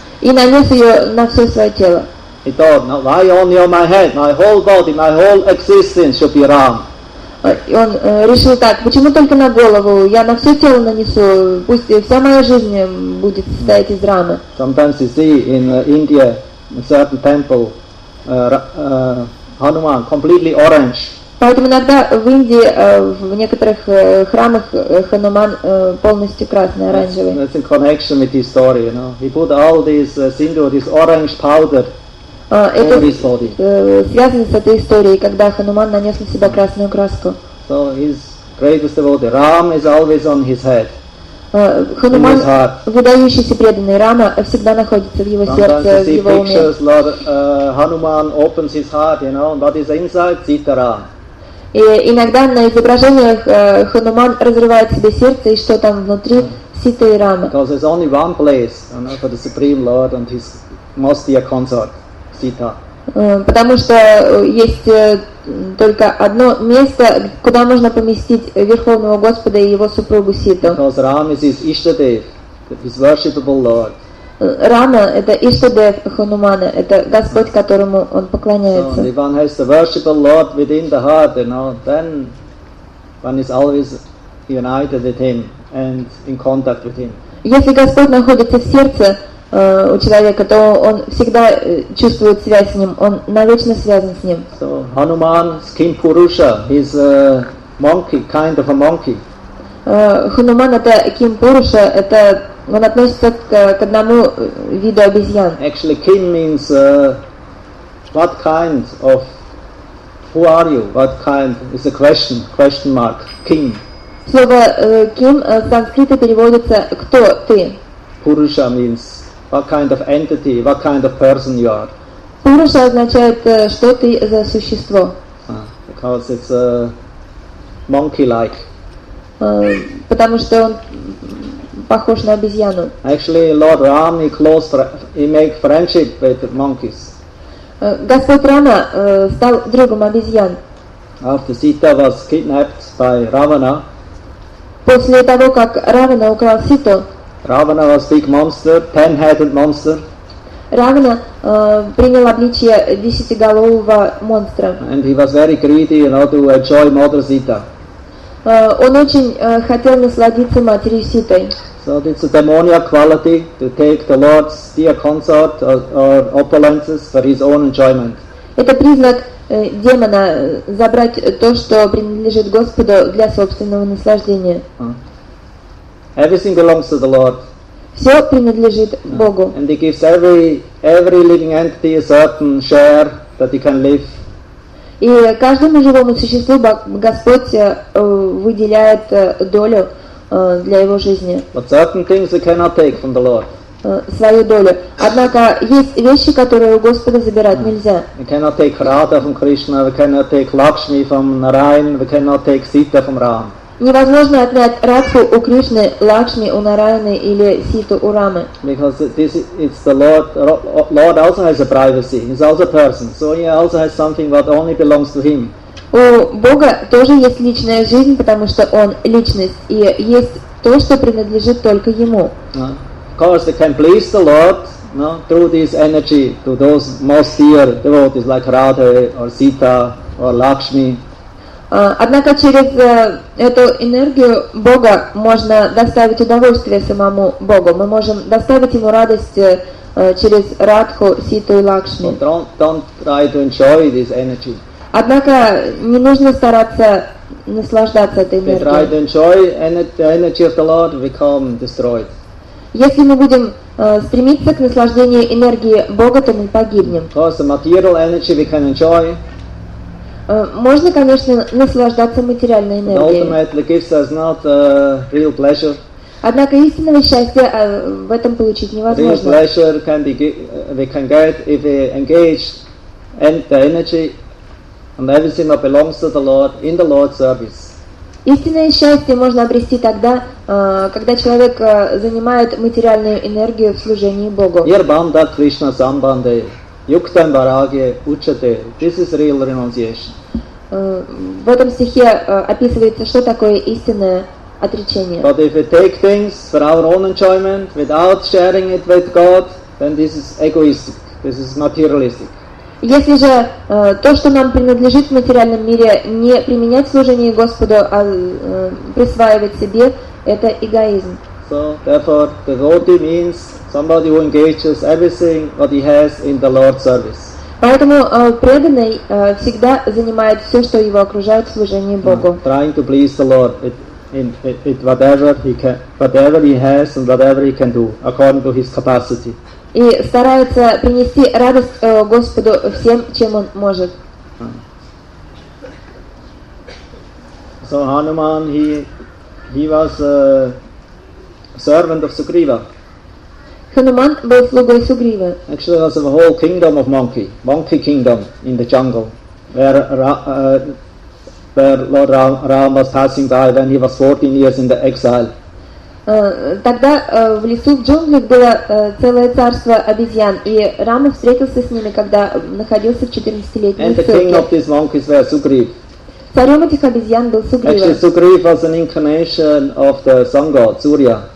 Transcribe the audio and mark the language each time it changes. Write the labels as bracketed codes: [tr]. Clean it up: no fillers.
[ru] И нанес ее на все свое тело. [en] He thought, no, why only on my head? My whole body, my whole existence should be Ram. [ru] Он решил так, почему только на голову? Я на все тело нанесу, пусть вся моя жизнь будет состоять из Рамы. [en] Sometimes you see in India, in certain temple, Hanuman, completely orange. [ru] Поэтому иногда в Индии, в некоторых храмах, Хануман полностью красный, оранжевый. [en] That's in connection with his story, you know. He put all this sindoor, this orange powder. [ru] Это связано с этой историей, когда Хануман нанес на себя красную краску. [en] So his greatest devotee, Ram, is always on his head. [ru] Хануман, [en] in his heart. [ru] Выдающийся преданный Рама всегда находится в его сердце, в его уме. [en] Sometimes you see pictures, Hanuman opens his heart, you know, but is inside Sita Ram. [ru] И иногда на изображениях Хануман разрывает себе сердце, и что там внутри Сита и Рама. [en] Because there's only one place, you know, for the Supreme Lord and his most dear consort. [ru] Потому что есть только одно место, куда можно поместить Верховного Господа и его супругу Ситу. [en] Because Ram is his Ishtadev, his worshipable Lord. [ru] Рама – это Ишта-дев Ханумана, это Господь, которому он поклоняется. [en] So if one has the worshipable Lord within the heart, you know, then one is always united with him and in contact with him. [ru] Если Господь находится в сердце у человека, то он всегда чувствует связь с ним, он навечно связан с ним. [en] So Hanuman, Skim Purusha, he's a monkey, kind of a monkey. [ru] Хануман это Ким Пуруша, это он относится к одному виду обезьян. [en] Actually, Ким means what kind of, who are you? What kind is a question? Question mark. Ким. [ru] Слово Ким в санскрите переводится кто ты. [en] Пуруша means what kind of entity, what kind of person you are. [ru] Пуруша означает, что ты за существо. [en] Because it's monkey-like. [ru] Потому что он похож на обезьяну. [en] Actually, Lord Ram, he make friendship with monkeys. [ru] Господь Рама стал другом обезьян. [en] After Sita was kidnapped by Ravana. [ru] После того, как Равана украл Ситу, [en] Ravana was a big monster, ten-headed monster. [ru] Ravana принял обличие десятиголового монстра. [en] And he was very greedy, you know, to enjoy Mother Sita. [ru] Он очень хотел насладиться матерью Ситой. [en] So it's a demoniac quality to take the Lord's dear consort or opulences for his own enjoyment. [ru] Это признак демона забрать то, что принадлежит Господу для собственного наслаждения. [en] Everything belongs to the Lord. [ru] Все принадлежит Богу. [en] And he gives every living entity a certain share that he can live. [ru] И каждому живому существу Господь выделяет долю для его жизни. [en] But certain things he cannot take from the Lord. [ru] Свою долю. Однако есть вещи, которые у Господа забирать нельзя. [en] We cannot take Radha from Krishna, we cannot take Lakshmi from Narayana, we cannot take Sita from Ram. [ru] Невозможно отнять Радху у Кришны, Лакшми у Нараяны или Ситу у Рамы. [en] Because this is the Lord also has a privacy. He's also a person. So he also has something that only belongs to him. [ru] У Бога тоже есть личная жизнь, потому что он личность, и есть то, что принадлежит только ему. [en] Of course, they can please the Lord. No, through this energy to those most dear devotees like Radha or Sita or Lakshmi. [ru] Однако через эту энергию Бога можно доставить удовольствие самому Богу. Мы можем доставить ему радость через Радху, Ситу и Лакшми. [en] But don't try to enjoy this energy. [ru] Однако не нужно стараться наслаждаться этой энергией. [en] We try to enjoy the energy of the Lord, we become destroyed. [ru] Если мы будем стремиться к наслаждению энергии Бога, то мы погибнем. [en] Of course, the material energy we can enjoy. [ru] Можно, конечно, наслаждаться материальной энергией. [en] But ultimately gives us not real pleasure. [ru] Однако истинного счастья в этом получить невозможно. [en] Real pleasure can be we can get if we engage the energy and everything that belongs to the Lord in the Lord's service. [ru] Истинное счастье можно обрести тогда, когда человек занимает материальную энергию в служении Богу. [sa] Нирбанда Кришна Самбанде Юктан Бараге Учате. [en] This is real renunciation. [ru] В этом стихе описывается, что такое истинное отречение. [en] But if we take things for our own enjoyment without sharing it with God, then this is egoistic. This is materialistic. [ru] Если же то, что нам принадлежит в материальном мире, не применять в служении Господу, а присваивать себе, это эгоизм. [en] So, therefore, devotee means somebody who engages everything what he has in the Lord's service. [ru] Поэтому преданный всегда занимает все, что его окружает в служении Богу. [en] Trying to please the Lord in whatever he has and whatever he can do, according to his capacity. [ru] И старается принести радость Господу всем, чем он может. [en] So Hanuman, he was a servant of Sugriva. [ru] Hanuman был слугой Сугривы. [en] Actually, it was a whole kingdom of monkey kingdom in the jungle, where Lord Ram was passing by when he was 14 years in the exile. [ru] Тогда в лесу, в джунглях было целое царство обезьян, и Рама встретился с ними, когда находился в 14-летней ссылке. Царем этих обезьян был Сугрива.